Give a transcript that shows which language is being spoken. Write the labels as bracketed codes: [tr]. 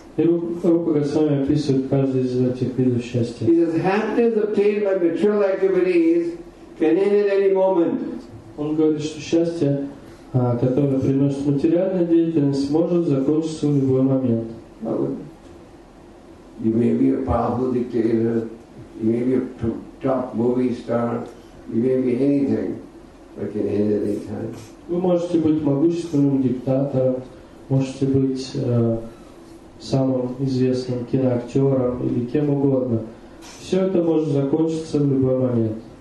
[ru] Рупа Госвами описывает каждый из этих видов счастья. [en] He says, happiness obtained by material activities can end at any moment. [ru] Он говорит, что счастье, которое приносит материальная деятельность, может закончиться в любой момент. [en] You may be a powerful dictator, you may be a top movie star, you may be anything, but can end at any time. [ru] Вы можете быть могущественным диктатором, можете быть самым известным киноактером или кем угодно. Все это может закончиться в любой момент.